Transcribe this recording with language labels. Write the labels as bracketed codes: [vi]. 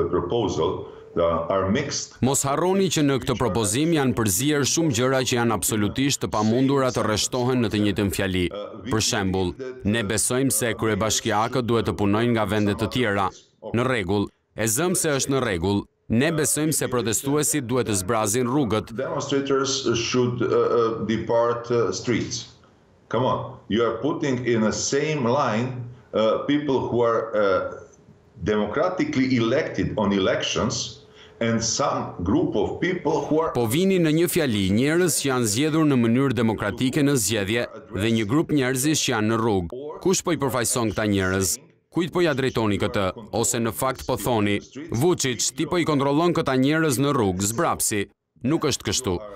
[sq] Mos harroni që në këtë propozim janë përzier shumë gjëra që janë absolutisht të pamundura të rreshtohen në të njëjtën fjali. Për shembull, ne besojmë se kryebashkiakët duhet të punojnë nga vende të tjera. Në rregull, e zëm se është në rregull. Ne besojmë se protestuesit duhet të zbrazin rrugët. [en] Demonstrators should depart streets. Come on, you are putting in the same line people who are democratically elected on elections and some group of people who are [sq] Po vini në një fjali njerëz që janë zgjedhur në mënyrë demokratike në zgjedhje dhe një grup njerëzish që janë në rrugë. Kush po i përfaqëson këta njerëz? Kujt po ja drejtoni këtë, ose në fakt po thoni, Vučić, ti po i kontrollon këta njerëz në rrugë, zbrapsi. Nuk është kështu.